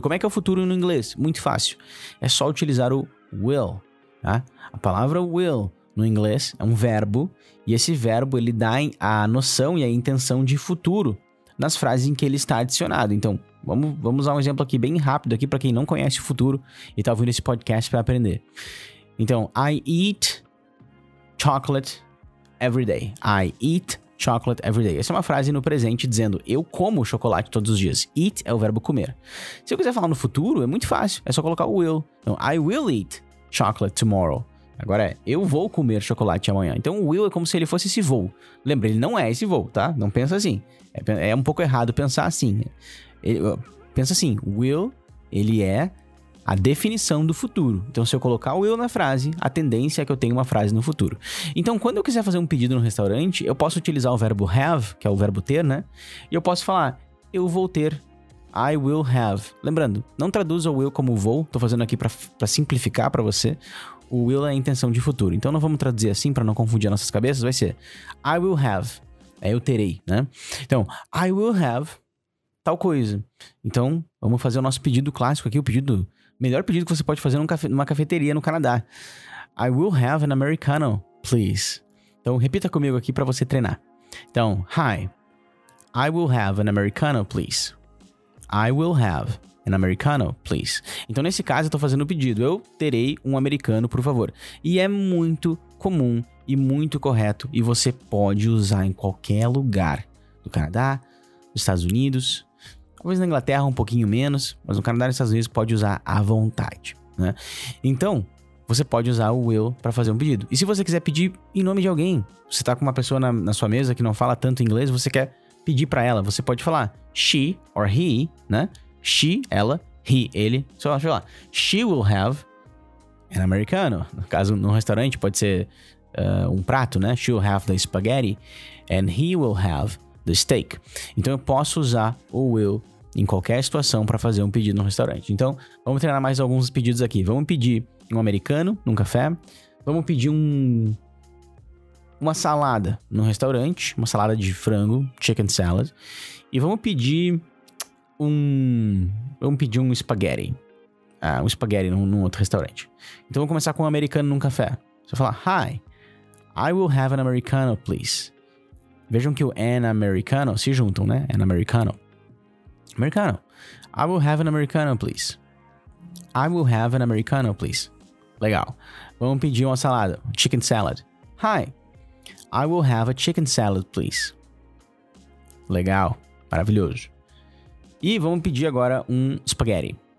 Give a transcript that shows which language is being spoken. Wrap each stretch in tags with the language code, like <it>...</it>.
<pt>Como é que é o futuro no inglês? Muito fácil, é só utilizar o will, tá? A palavra will no inglês é um verbo, e esse verbo ele dá a noção e a intenção de futuro nas frases em que ele está adicionado. Então, vamos usar um exemplo aqui bem rápido aqui para quem não conhece o futuro e está ouvindo esse podcast para aprender.</pt> <en>Então, I eat chocolate every day. I eat chocolate every day.</en> <pt>Essa é uma frase no presente dizendo eu como chocolate todos os dias. Eat é o verbo comer. Se eu quiser falar no futuro, é muito fácil. É só colocar o will.</pt> <en>Então, I will eat chocolate tomorrow.</en> <pt>Agora é, eu vou comer chocolate amanhã. Então, o will é como se ele fosse esse voo. Lembra, ele não é esse voo, tá? Não pensa assim. É um pouco errado pensar assim. Pensa assim, will, ele é a definição do futuro. Então, se eu colocar o will na frase, a tendência é que eu tenha uma frase no futuro. Então, quando eu quiser fazer um pedido no restaurante, eu posso utilizar o verbo have, que é o verbo ter, né? E eu posso falar, eu vou ter,</pt> <en>I will have.</en> <pt>Lembrando, não traduza o will como vou. Tô fazendo aqui pra simplificar pra você. O will é a intenção de futuro. Então, não vamos traduzir assim pra não confundir nossas cabeças. Vai ser,</pt> <en>I will have.</en> <pt>É eu terei, né? Então,</pt> <en>I will have</en> <pt>tal coisa. Então, vamos fazer o nosso pedido clássico aqui, o pedido, melhor pedido que você pode fazer numa cafeteria no Canadá.</pt> <en>I will have an Americano, please.</en> <pt>Então, repita comigo aqui pra você treinar.</pt> <en>Então, hi, I will have an Americano, please. I will have an Americano, please.</en> <pt>Então, nesse caso, eu tô fazendo o pedido. Eu terei um americano, por favor. E é muito comum e muito correto. E você pode usar em qualquer lugar. No Canadá, nos Estados Unidos. Talvez na Inglaterra um pouquinho menos. Mas no Canadá e nos Estados Unidos pode usar à vontade, né? Então, você pode usar o will para fazer um pedido. E se você quiser pedir em nome de alguém. Você tá com uma pessoa na sua mesa que não fala tanto inglês. Você quer pedir para ela. Você pode falar she or he, né? She, ela, he, ele. Só vai falar,</pt> <en>she will have an americano.</en> <pt>No caso, num restaurante, pode ser um prato, né?</pt> <en>She will have the spaghetti and he will have the steak.</en> <pt>Então, eu posso usar o will em qualquer situação para fazer um pedido no restaurante. Então, vamos treinar mais alguns pedidos aqui. Vamos pedir um americano num café. Vamos pedir uma salada num restaurante. Uma salada de frango, chicken salad. E vamos pedir um spaghetti. Ah, um spaghetti num outro restaurante. Então, vamos começar com um americano num café. Você vai falar,</pt> <en>hi, I will have an americano, please.</en> <pt>Vejam que o an americano se juntam, né? An americano. Americano.</pt> <en>I will have an americano, please. I will have an americano, please. Legal.</en> <pt>Vamos pedir uma salada.</pt> <en>Chicken salad. Hi, I will have a chicken salad, please.</en> <pt>Legal. Maravilhoso. E vamos pedir agora um spaghetti.</pt>